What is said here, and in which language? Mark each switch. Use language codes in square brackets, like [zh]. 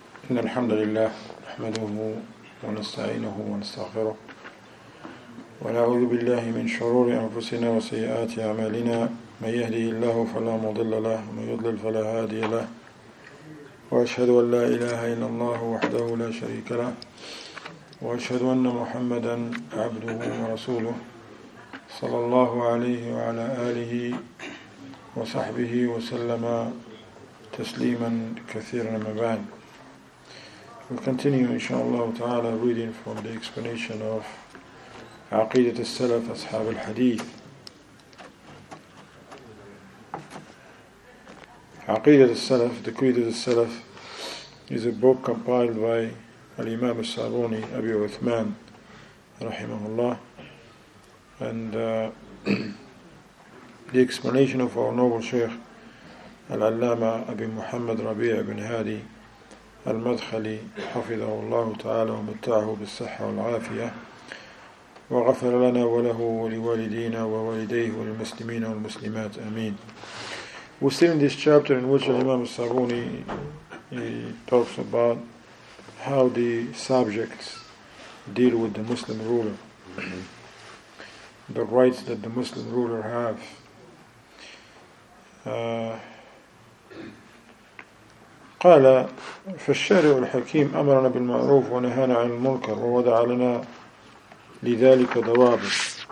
[ar] إن الحمد لله نحمده ونستعينه ونستغفره ونعوذ بالله من شرور أنفسنا وسيئات أعمالنا، من يهده الله فلا مضل له ومن يضلل فلا هادي له، وأشهد أن لا إله إلا الله وحده لا شريك له، وأشهد أن محمدا عبده ورسوله صلى الله عليه وعلى آله وصحبه وسلم تسليما كثيرا ما بعد. [en] We'll continue, inshaAllah ta'ala, reading from the explanation of Aqidat al-Salaf, Ashab al-Hadith. Aqidat al-Salaf, the Creed of al-Salaf, is a book compiled by Al-Imam al-Saruni, Abi Uthman, rahimahullah. And the explanation of our noble Shaykh, Al-Allama Abi Muhammad Rabi' ibn Hadi, [ar] المدخلي حفظه الله تعالى ومتعه بالصحة والعافية وغفر لنا وله ولوالدينا ووالديه وللمسلمين والمسلمات أمين. [en] We're still in this chapter in which Imam al-Saruni talks about how the subjects deal with the Muslim ruler, the rights that the Muslim ruler [ar] قال فالشارع الحكيم أمرنا بالمعروف ونهانا عن المنكر ووضع لنا لذلك ضوابط.